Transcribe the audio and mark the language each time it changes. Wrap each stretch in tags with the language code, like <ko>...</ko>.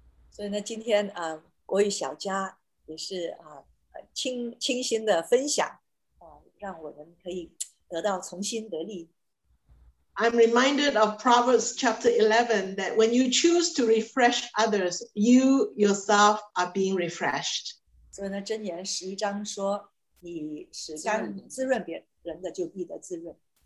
<zh>所以呢，今天国语小家也是清新的分享，让我们可以得到重新得力。</zh> <en>I'm reminded of Proverbs chapter 11 that when you choose to refresh others, you yourself are being refreshed.</en> <zh>所以呢，箴言十一章说，你是甘滋润别人的，就必得滋润。</zh>